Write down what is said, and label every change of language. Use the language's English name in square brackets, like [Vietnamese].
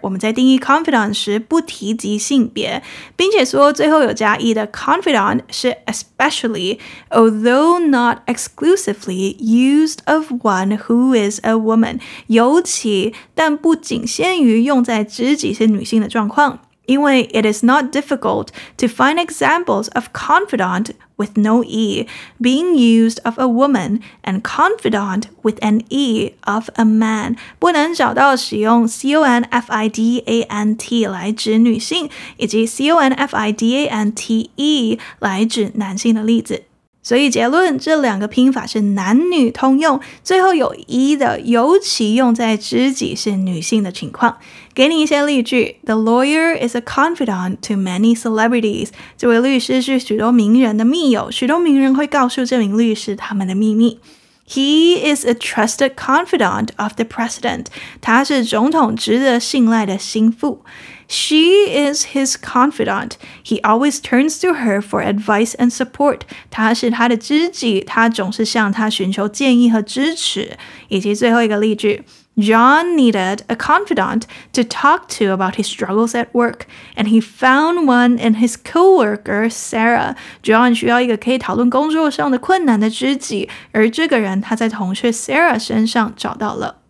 [Chinese] 我们在定义 confidant 时不提及性别，并且说最后有加 E 的 confidant 是 [English] especially, although not exclusively, used of one who is a woman. [Chinese] 尤其但不仅限于用在知己是女性的状况。因为 [English] it is not difficult to find examples of confidant with no E being used of a woman and confidant with an E of a man. [Chinese] 不能找到使用 C-O-N-F-I-D-A-N-T 来指女性以及 C-O-N-F-I-D-A-N-T-E 来指男性的例子。所以结论，这两个拼法是男女通用，最后有 E 的尤其用在知己是女性的情况。给你一些例句， [English] The lawyer is a confidant to many celebrities. [Chinese] 这位律师是许多名人的密友，许多名人会告诉这名律师他们的秘密。 [English] He is a trusted confidant of the president. [Chinese] 他是总统值得信赖的心腹。 [English] She is his confidant. He always turns to her for advice and support. [Chinese] 她是他的知己，他总是向她寻求建议和支持。以及最后一个例句， [English] John needed a confidant to talk to about his struggles at work, and he found one in his coworker, Sarah. [Chinese] John 需要一个可以讨论工作上的困难的知己，而这个人他在同事 Sarah 身上找到了。